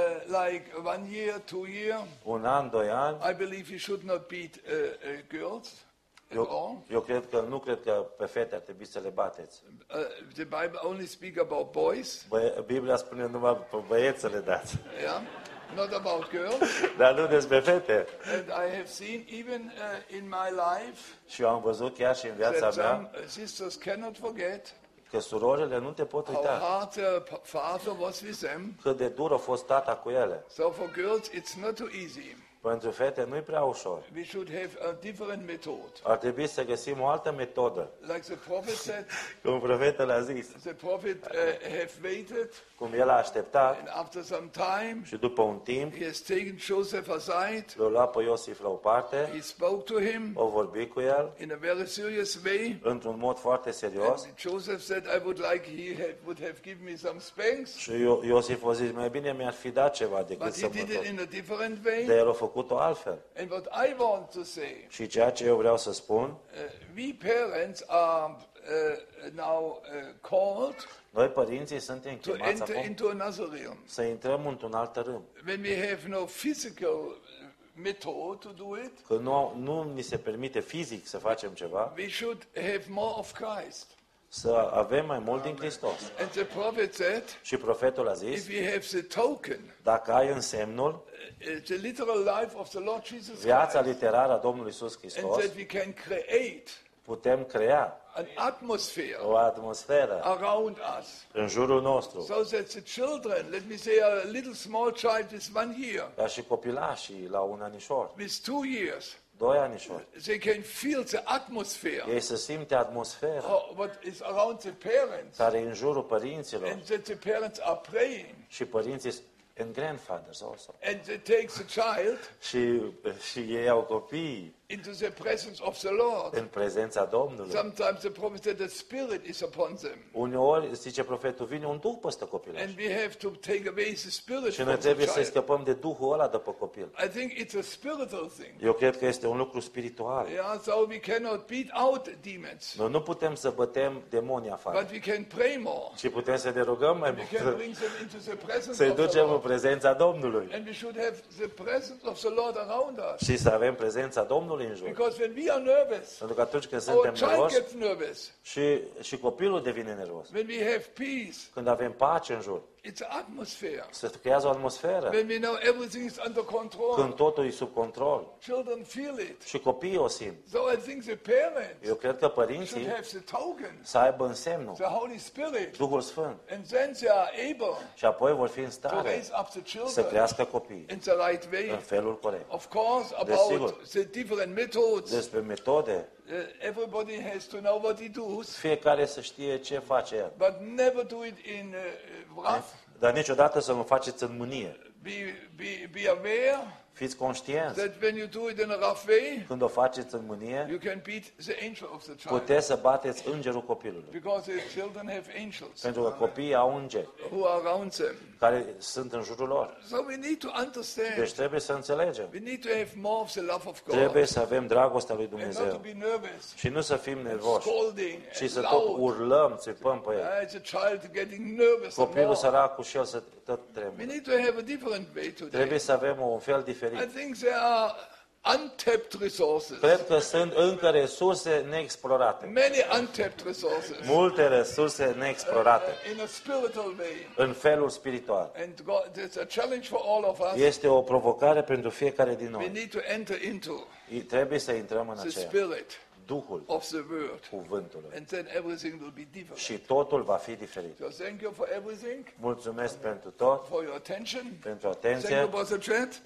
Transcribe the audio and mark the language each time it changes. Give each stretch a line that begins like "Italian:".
English: Like 1 year, 2 year.
Romanian: Un an, doi ani.
English: I believe you should not beat girls.
Romanian: Eu cred că nu cred că pe fete ar trebui să le bateți.
English: The Bible only speak about boys.
Romanian: Biblia spune numai pe băieți să le dați.
English: Yeah. Not about girls.
Romanian: Dar nu despre fete.
English: And I have seen even in my life.
Romanian: Și am văzut chiar și în viața mea.
English: Sisters cannot forget.
Romanian: Că surorile nu te pot uita.
English: How hard the father was with them.
Romanian: Cât de dur a fost tata cu ele.
English: So for girls it's not too easy.
Romanian: Pentru fete nu e prea ușor.
English: We should have a different method.
Romanian: Ar trebui să găsim o altă metodă.
English: Like the prophet said.
Romanian: Cum profetul a zis.
English: The prophet have waited.
Romanian: Cum el a așteptat.
English: And after some time.
Romanian: Și după un timp.
English: He has taken Joseph aside.
Romanian: L-a luat pe Iosif la o parte.
English: He spoke to him.
Romanian: A vorbit cu el.
English: In a very serious way.
Romanian: Într-un mod foarte serios.
English: And Joseph said, I would like he would have given me some spanks.
Romanian: Și Iosif a zis, mai bine mi-ar fi dat ceva decât
English: but
Romanian: să mă
English: But he did it in a different way.
Romanian: Făcut-o altfel.
English: And what I want to say,
Romanian: și ceea ce eu vreau să spun,
English: we parents are now called.
Romanian: Noi părinții suntem chemați acum să intrăm într-un alt râm.
English: When we have no physical method to do it,
Romanian: că nu ni se permite fizic să facem ceva.
English: We should have more of Christ.
Romanian: Să avem mai mult din Hristos.
English: And the prophet said,
Romanian: și profetul a zis,
English: if we have the token,
Romanian: dacă ai însemnul,
English: the literal life of the Lord Jesus Christ,
Romanian: viața literară a Domnului Iisus Hristos,
English: and that we can create,
Romanian: putem crea
English: an atmosphere,
Romanian: o atmosferă
English: around us,
Romanian: în jurul nostru.
English: So that the children, let me say a little small child is 1 year,
Romanian: dar și copilașii la un anișor,
English: with 2 years,
Romanian: doi anișori.
English: They can feel the atmosphere.
Romanian: Ei se simte atmosfera.
English: What is around the parents?
Romanian: Care e în jurul părinților.
English: And that the parents are praying.
Romanian: Și părinții
English: and grandfathers also. And they take the child.
Romanian: Și ei au copii.
English: Into the presence of the Lord.
Romanian: În prezența Domnului.
English: Sometimes the prophet said the spirit is upon them.
Romanian: Uneori zice profetul vine un duh peste copil.
English: And we have to take away the spirit.
Romanian: Și noi trebuie să scăpăm de duhul ăla după copil.
English: I think it's a spiritual thing.
Romanian: Eu cred că este un lucru spiritual.
English: Yeah, so we cannot beat out demons.
Romanian: Noi nu putem să bătem demonii afară.
English: But we can pray more.
Romanian: Și putem să ne rugăm mai mult.
English: We can bring them into the presence.
Romanian: Să-i ducem în prezența Domnului.
English: And we should have the presence of the Lord around us.
Romanian: Și să avem prezența Domnului.
English: Because when we are nervous,
Romanian: pentru că atunci când suntem nervos, și copilul devine nervos.
English: When we have peace,
Romanian: când avem pace în jur,
English: it's atmosphere.
Romanian: Se creează o atmosferă.
English: When we know everything is under control,
Romanian: când totul e sub control.
English: Children feel it.
Romanian: Și copiii o simt.
English: So I think the parents,
Romanian: eu cred că părinții
English: should have the token,
Romanian: să aibă însemnul,
English: the Holy Spirit,
Romanian: Duhul Sfânt.
English: And then they are able,
Romanian: și apoi vor fi în stare
English: to raise up the children,
Romanian: să crească copiii
English: in the right way,
Romanian: în felul corect.
English: Of course, about
Romanian: desigur,
English: the different methods,
Romanian: despre metode.
English: Everybody has to know what he does.
Romanian: Fiecare să știe ce face el.
English: But never do it in wrath.
Romanian: Dar niciodată să nu faceți în mânie.
English: Be aware.
Romanian: Fiți conștienți.
English: That when you do it in a rough way,
Romanian: când o faceți în mânie,
English: you can beat the angel of the child.
Romanian: Puteți să bateți îngerul copilului.
English: Because the children have angels.
Romanian: Pentru că copiii au îngeri.
English: Who are around them.
Romanian: Care sunt în jurul lor.
English: So we need to understand.
Romanian: Deci trebuie să înțelegem.
English: We need to have more of the love of God.
Romanian: Trebuie să avem dragostea lui Dumnezeu.
English: And not to be nervous.
Romanian: Și nu să fim nervoși.
English: Scolding.
Romanian: Și să tot urlăm, țipăm pe el.
English: The child getting nervous.
Romanian: Copilul săracul și el să tot tremure.
English: We need to have a different way today.
Romanian: Trebuie să avem un fel diferit.
English: I think there are untapped resources.
Romanian: Cred că sunt încă resurse neexplorate.
English: Many untapped resources.
Romanian: Multe resurse neexplorate.
English: In a spiritual way.
Romanian: În felul spiritual.
English: And God, it's a challenge for all of us.
Romanian: Este o provocare pentru fiecare din noi.
English: We need to enter into.
Romanian: Trebuie să intrăm în aceea.
English: The spirit.
Romanian: Duhul
English: of the word.
Romanian: Cuvântului.
English: And then everything will be different.
Romanian: Și totul va fi diferit.
English: So thank you for everything.
Romanian: Mulțumesc pentru tot.
English: For your attention.
Romanian: Pentru atenție.
English: Thank you for the chat.